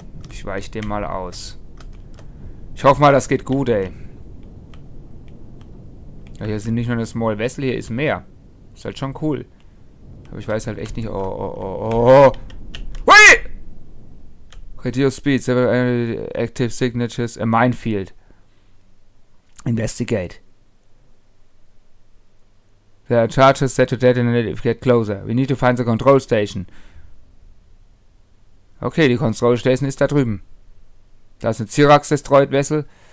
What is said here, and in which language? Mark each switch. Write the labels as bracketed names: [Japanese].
[German] Ich weiche dem mal aus. Ich hoffe mal, das geht gut, ey. Ja, hier sind nicht nur eine Small Vessel, hier ist mehr. Ist halt schon cool. Aber ich weiß halt echt nicht. Oh, oh, oh, oh. Hui! [English] Radio Speed, several active signatures, a minefield. Investigate. There are charges set to detonate if you get closer. We need to find the control station. [German] Okay, die Control Station ist da drüben. Da ist eine Zirax Destroyed Vessel.